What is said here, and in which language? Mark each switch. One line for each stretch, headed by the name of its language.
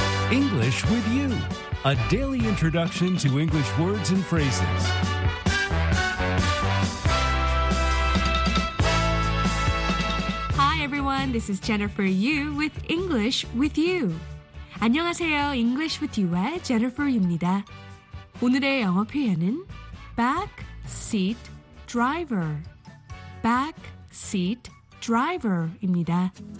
English: English with you, a daily introduction to English words and phrases. Hi everyone, this is Jennifer Yu with English with you.
Korean: 안녕하세요, English with you와 Jennifer Yu입니다. 오늘의 영어 표현은 back seat driver. Back seat driver입니다.